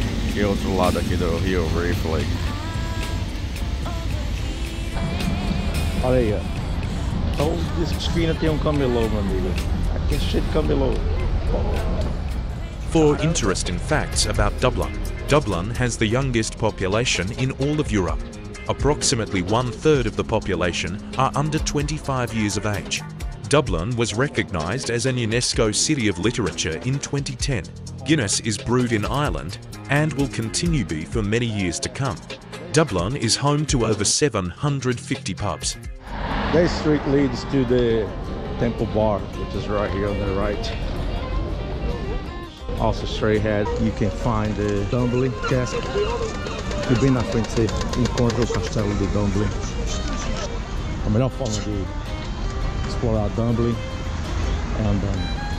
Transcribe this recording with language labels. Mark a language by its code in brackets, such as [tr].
[pt] Aqui outro lado aqui do rio, briefly. Olha aí, Então, diz que China tem camelô, meu amigo. Aqui é cheio de camelô. [en] For interesting facts about Dublin, Dublin has the youngest population in all of Europe. Approximately one-third of the population are under 25 years of age. Dublin was recognised as a UNESCO City of Literature in 2010. Guinness is brewed in Ireland and will continue to be for many years to come. Dublin is home to over 750 pubs. This street leads to the Temple Bar, which is right here on the right. Also straight ahead, you can find the Dublin Castle. [pt] E bem na frente você encontra o castelo de Dublin. A melhor forma de explorar Dublin é andando.